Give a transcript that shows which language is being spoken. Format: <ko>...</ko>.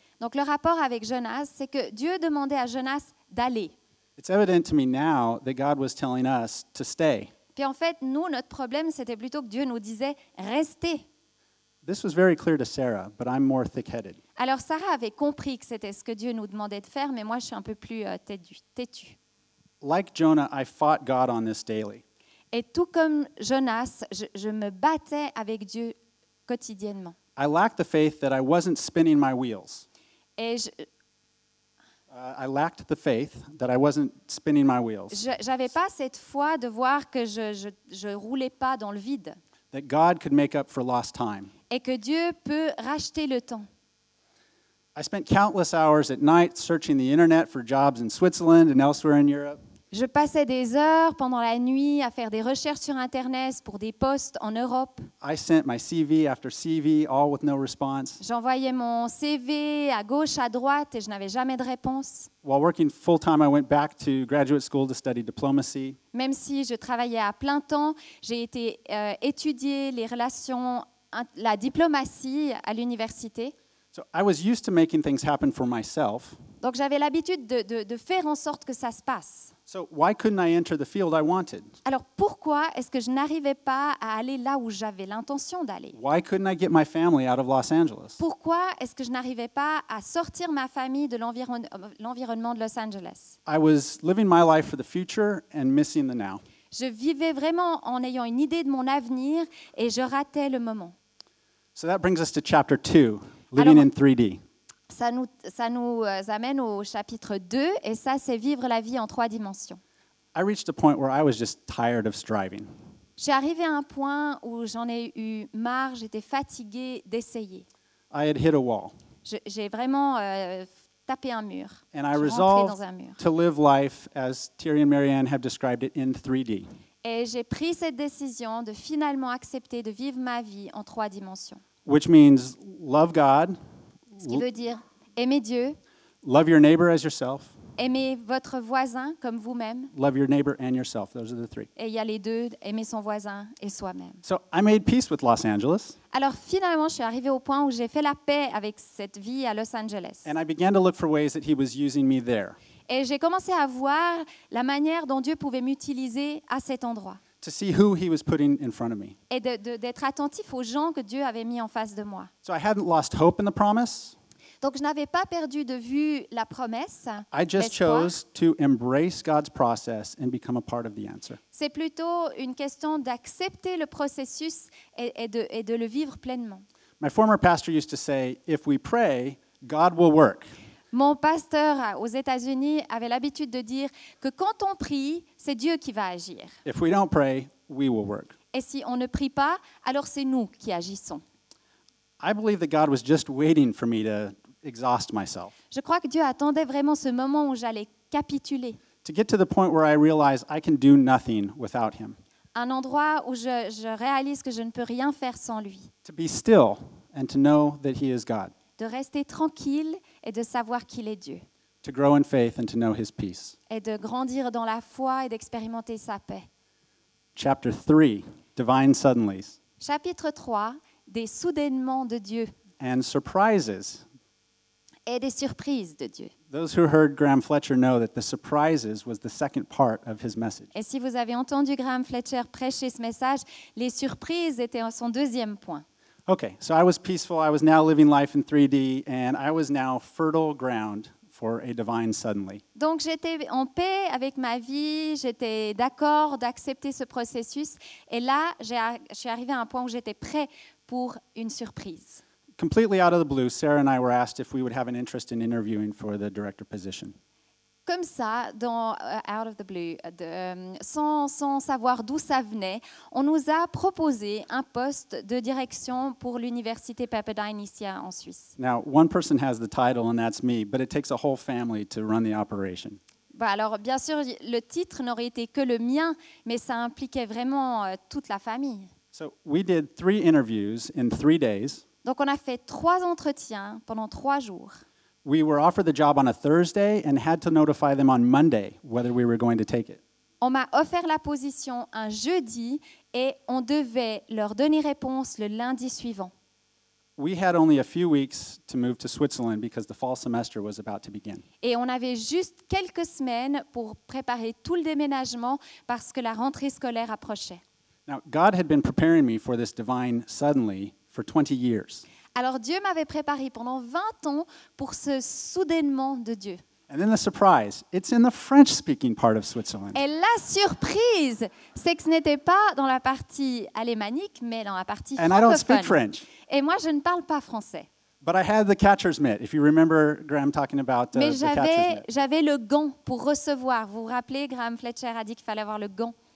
<fr>Donc le rapport avec Jonas, c'est que Dieu demandait à Jonas d'aller.</fr> <en>It's evident to me now that God was telling us to stay.</en> <fr>Puis en fait, nous, notre problème, c'était plutôt que Dieu nous disait rester.</fr> <en>This was very clear to Sarah, but I'm more thick-headed.</en> <fr>Alors Sarah avait compris que c'était ce que Dieu nous demandait de faire, mais moi, je suis un peu plus têtue.</fr> <en>Like Jonah, I fought God on this daily.</en> <fr>Et tout comme Jonas, je me battais avec Dieu quotidiennement.</fr> <en>I lacked the faith that I wasn't spinning my wheels. I lacked the faith that I wasn't spinning my wheels.</en> <fr>J'avais pas cette foi de voir que je roulais pas dans le vide.</fr> <en>That God could make up for lost time.</en> <fr>Et que Dieu peut racheter le temps.</fr> <en>I spent countless hours at night searching the internet for jobs in Switzerland and elsewhere in Europe.</en> <fr>Je passais des heures pendant la nuit à faire des recherches sur Internet pour des postes en Europe.</fr> <en>I sent my CV after CV, all with no response.</en> <fr>J'envoyais mon CV à gauche, à droite et je n'avais jamais de réponse.</fr> <en>While working full-time, I went back to graduate school to study diplomacy.</en> <fr>Même si je travaillais à plein temps, j'ai été étudier les relations, la diplomatie à l'université.</fr> <en>So I was used to making things happen for myself.</en> <fr>Donc j'avais l'habitude de faire en sorte que ça se passe.</fr> <en>So why couldn't I enter the field I wanted?</en> <fr>Alors pourquoi est-ce que je n'arrivais pas à aller là où j'avais l'intention d'aller?</fr> <en>Why couldn't I get my family out of Los Angeles?</en> <fr>Pourquoi est-ce que je n'arrivais pas à sortir ma famille de l'environnement de Los Angeles?</fr> <en>I was living my life for the future and missing the now.</en> <fr>Je vivais vraiment en ayant une idée de mon avenir et je ratais le moment.</fr> <en>So that brings us to chapter 2, living in 3D.</en> <fr>Ça nous amène au chapitre 2, et ça, c'est vivre la vie en trois dimensions.</fr> <en>I reached a point where I was just tired of striving.</en> <fr>J'ai arrivé à un point où j'en ai eu marre, j'étais fatiguée d'essayer.</fr> <en>I had hit a wall.</en> <fr>J'ai vraiment tapé un mur.</fr> <en>And I resolved to live life, as Thierry and Marianne have described it, in 3D.</en> <fr>Et j'ai pris cette décision de finalement accepter de vivre ma vie en trois dimensions.</fr> <en>Which means love God.</en> <fr>Ce qui veut dire aimer Dieu.</fr> <en>Love your neighbor as yourself.</en> <fr>Aimer votre voisin comme vous-même.</fr> <en>Love your neighbor and yourself. Those are the three.</en> <fr>Et il y a les deux, aimer son voisin et soi-même.</fr> <en>So I made peace with Los Angeles.</en> <fr>Alors finalement, je suis arrivée au point où j'ai fait la paix avec cette vie à Los Angeles.</fr> <en>And I began to look for ways that he was using me there.</en> <fr>Et j'ai commencé à voir la manière dont Dieu pouvait m'utiliser à cet endroit.</fr> <en>To see who he was putting in front of me.</en> <fr>Et d'être attentif aux gens que Dieu avait mis en face de moi.</fr> <en>So I hadn't lost hope in the promise.</en> <fr>Donc je n'avais pas perdu de vue la promesse.</fr> <en>I just chose to embrace God's process and become a part of the answer.</en> <fr>C'est plutôt une question d'accepter le processus et de le vivre pleinement.</fr> <en>My former pastor used to say, if we pray, God will work.</en> <fr>Mon pasteur aux États-Unis avait l'habitude de dire que quand on prie, c'est Dieu qui va agir.</fr> <en>If we don't pray, we will work.</en> <fr>Et si on ne prie pas, alors c'est nous qui agissons.</fr> <en>I believe that God was just waiting for me to exhaust myself.</en> <fr>Je crois que Dieu attendait vraiment ce moment où j'allais capituler.</fr> <en>To get to the point where I realize I can do nothing without him.</en> <fr>Un endroit où je réalise que je ne peux rien faire sans lui.</fr> <en>To be still and to know that he is God.</en> <fr>De rester tranquille et de savoir qu'il est Dieu.</fr> <en>To grow in faith and to know his peace.</en> <fr>Et de grandir dans la foi et d'expérimenter sa paix.</fr> <en>Chapter 3, divine suddenlies.</en> <fr>Chapitre 3, des soudainements de Dieu.</fr> <en>And surprises.</en> <fr>Et des surprises de Dieu.</fr> <en>Those who heard Graham Fletcher know that the surprises was the second part of his message.</en> <fr>Et si vous avez entendu Graham Fletcher prêcher ce message, les surprises étaient son deuxième point.</fr> <en>Okay, so I was peaceful, I was now living life in 3D, and I was now fertile ground for a divine suddenly.</en> <fr>Donc j'étais en paix avec ma vie, j'étais d'accord d'accepter ce processus, et là je suis arrivée à un point où j'étais prêt pour une surprise.</fr> <en>Completely out of the blue, Sarah and I were asked if we would have an interest in interviewing for the director position.</en> <fr>Comme ça,</fr> <en>out of the blue,</en> <fr>sans savoir d'où ça venait, on nous a proposé un poste de direction pour l'université Pepperdine ici en Suisse.</fr> <en>Now, one person has the title, and that's me, but it takes a whole family to run the operation.</en> <fr>Bah alors, bien sûr, le titre n'aurait été que le mien, mais ça impliquait vraiment toute la famille.</fr> <en>So, we did 3 interviews in 3 days.</en> <fr>Donc on a fait 3 entretiens pendant 3 jours.</fr> <en>We were offered the job on a Thursday and had to notify them on Monday whether we were going to take it.</en> <fr>On m'a offert la position un jeudi et on devait leur donner réponse le lundi suivant.</fr> <en>We had only a few weeks to move to Switzerland because the fall semester was about to begin.</en> <fr>Et on avait juste quelques semaines pour préparer tout le déménagement parce que la rentrée scolaire approchait.</fr> <en>Now God had been preparing me for this divine suddenly for 20 years.</en> <fr>Alors Dieu m'avait préparé pendant 20 ans pour ce soudainement de Dieu.</fr> <en>And then the surprise, it's in the French speaking part of Switzerland.</en> <fr>Et la surprise, c'est que ce n'était pas dans la partie alémanique mais dans la partie</fr> <en>francophone. And I don't speak French.</en> <fr>Et moi je ne parle pas français.</fr> <en>But I had the catcher's mitt. If you remember Graham talking about</en> <fr>mais</fr> <en>the catcher's mitt.</en> <fr>Mais j'avais le gant pour recevoir. Vous vous rappelez Graham Fletcher a dit qu'il fallait avoir le gant.</fr>